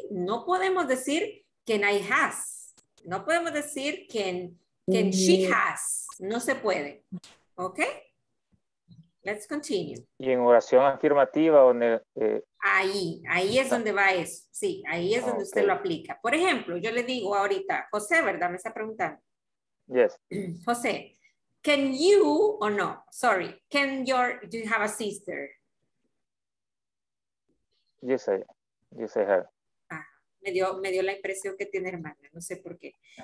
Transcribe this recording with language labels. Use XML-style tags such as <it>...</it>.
<es>No podemos decir</es> <en>can I has.</en> <es>No podemos decir can yes. she has. No se puede. ¿Ok?</es> <en>Let's continue.</en> <es>Y en oración afirmativa o en el, Ahí es donde va eso. Sí, ahí es donde usted lo aplica. Por ejemplo, yo le digo ahorita, José, ¿verdad? Me está preguntando.</es> <en>Yes. José, can you or no? Sorry, can your, do you have a sister? Yes, I have.</en> <es>Ah, me dio la impresión que tiene hermana, no sé por qué.</es>